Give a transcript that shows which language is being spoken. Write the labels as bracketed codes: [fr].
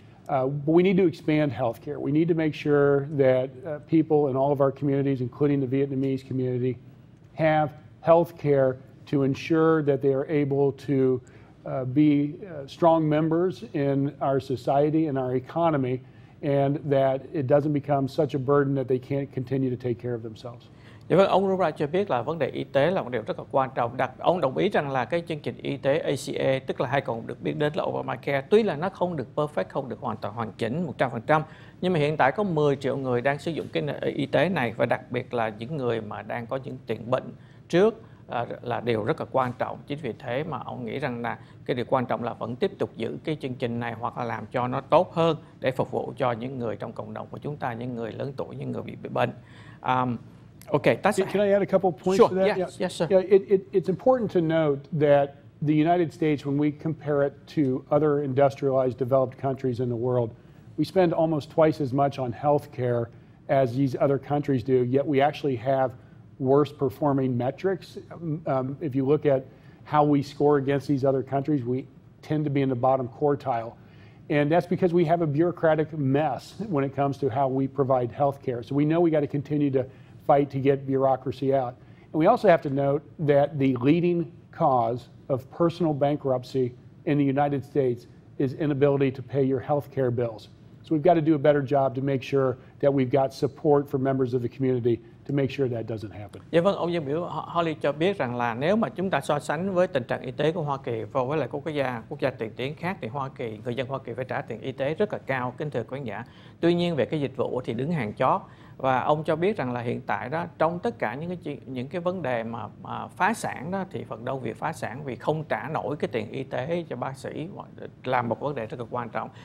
[en] But we need to expand healthcare. We need to make sure that people in all of our communities, including the Vietnamese community, have healthcare to ensure that they are able to be strong members in our society and our economy, and that it doesn't become such a burden that they can't continue to take care of themselves. [vi] Dạ vâng, ông Rura cho biết là vấn đề y tế là một điều rất là quan trọng. Ông đồng ý rằng là cái chương trình y tế ACA, tức là hay còn được biết đến là Obamacare, tuy là nó không được perfect, không được hoàn toàn hoàn chỉnh 100%, nhưng mà hiện tại có 10 triệu người đang sử dụng cái y tế này, và đặc biệt là những người mà đang có những tiền bệnh trước là điều rất là quan trọng. Chính vì thế mà ông nghĩ rằng là cái điều quan trọng là vẫn tiếp tục giữ cái chương trình này, hoặc là làm cho nó tốt hơn để phục vụ cho những người trong cộng đồng của chúng ta, những người lớn tuổi, những người bị bệnh. [en] Okay, that's it. Can I add a couple points sure. to that? Yes, yeah. Yes, sir. Yeah, it's important to note that the United States, when we compare it to other industrialized developed countries in the world, we spend almost twice as much on health care as these other countries do, yet we actually have worse performing metrics. If you look at how we score against these other countries, we tend to be in the bottom quartile. And that's because we have a bureaucratic mess when it comes to how we provide health care. So we know we got to continue to fight to get bureaucracy out. And we also have to note that the leading cause of personal bankruptcy in the United States is inability to pay your health care bills. So we've got to do a better job to make sure that we've got support for members of the community to make sure that doesn't happen. [vi] Dạ vâng, ông Dương Biểu Holly cho biết rằng là nếu mà chúng ta so sánh với tình trạng y tế của Hoa Kỳ và với lại quốc gia tiền tiến khác, thì Hoa Kỳ, người dân Hoa Kỳ phải trả tiền y tế rất là cao, kính thưa quán giả. Tuy nhiên về cái dịch vụ thì đứng hàng chót. Và ông cho biết rằng là hiện tại đó, trong tất cả những cái vấn đề mà phá sản đó, thì phần đông việc phá sản vì không trả nổi cái tiền y tế cho bác sĩ là một vấn đề rất là quan trọng.